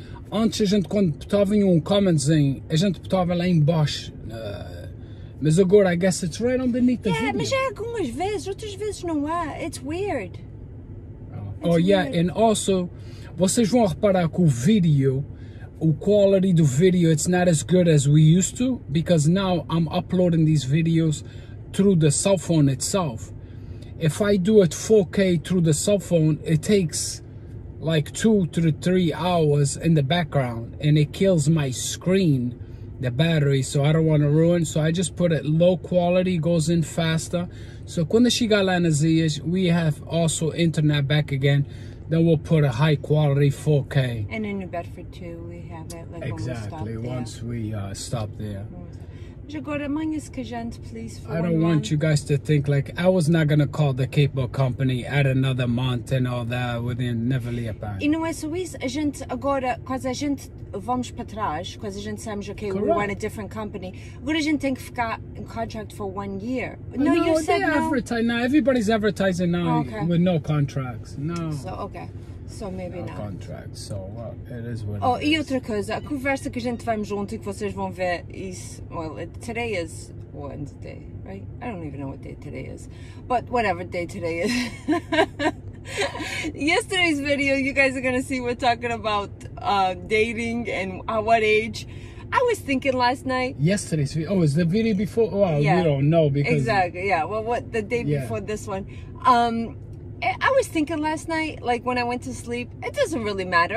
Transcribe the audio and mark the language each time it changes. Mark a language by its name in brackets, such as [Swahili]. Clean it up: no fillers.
[Portuguese] Antes a gente quando botava em comments em a gente botava lá embaixo. Mas agora [English] I guess it's right underneath the video. [Portuguese] Mas é algumas vezes, outras vezes não há. [English] It's weird. Oh yeah, and also [Portuguese] vocês vão reparar que o vídeo. [English] The quality of the video it's not as good as we used to because now I'm uploading these videos through the cell phone itself. If I do it 4K through the cell phone, it takes like 2 to 3 hours in the background and it kills my screen, the battery, so I don't want to ruin. So I just put it low quality, goes in faster. So [Portuguese] quando chegar lá nas ilhas, [English] we have also internet back again. Then we'll put a high quality 4K. And in New Bedford too, we have it. Like exactly, once we stop there. I don't want you guys to think like I was not gonna call the cable company at another month and all that within never leave back. [Portuguese] E não é só isso, a gente agora, quase a gente vamos para trás, quase a gente sabemos, okay, [English] correct. We want a different company. [Portuguese] Agora a gente tem que ficar [English] in contract for 1 year. No, you said they advertise now. Everybody's advertising now with no contracts. No. So maybe not. Contract, so it is what oh, it is. [Portuguese] E outra coisa, a conversa que a gente vai junto e que vocês vão ver isso, [English] well, today is Wednesday, right? I don't even know what day today is, but whatever day today is. Yesterday's video, you guys are going to see, we're talking about dating and at what age. I was thinking last night. Yesterday's video, oh, is the video before? Well, yeah. We don't know because... Exactly, yeah, well, what the day before this one. I was thinking last night, like when I went to sleep, it doesn't really matter.